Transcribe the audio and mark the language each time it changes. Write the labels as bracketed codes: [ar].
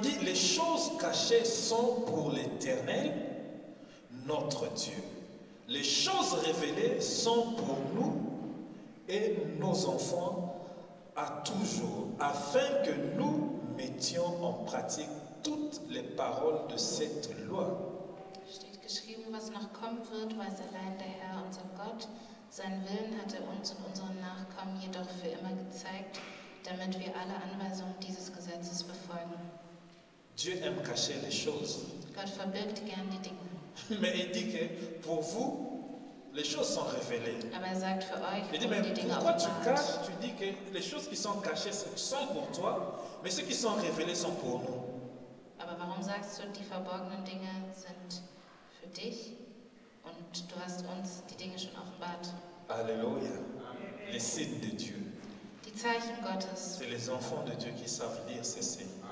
[fr] dit, les choses cachées sont pour l'Éternel, notre Dieu. Les choses révélées sont pour nous et nos enfants à toujours, afin que nous mettions en pratique toutes les paroles de cette loi. [de] Steht geschrieben, was noch kommen wird, weiß allein der Herr, unser Gott. Sein Willen hat uns und unseren Nachkommen jedoch für immer gezeigt, damit wir alle Anweisungen dieses Gesetzes befolgen. [fr] Dieu aime cacher les choses. [de] Gott verbirgt gern die Dinge. [fr] Mais il dit que pour vous, les choses sont révélées. [de] Aber er sagt für euch, [fr] il dit, [de] mais die Dinge [fr] pourquoi tu caches? Tu dis que les choses qui sont cachées sont pour toi, mais ceux qui sont révélés sont pour nous. [de] Aber warum sagst du, die verborgenen Dinge sind für dich und du hast uns die Dinge schon offenbart? [fr] Alléluia. Les signes de Dieu. [de] Die Zeichen Gottes. [fr] C'est les enfants de Dieu qui savent lire ces signes.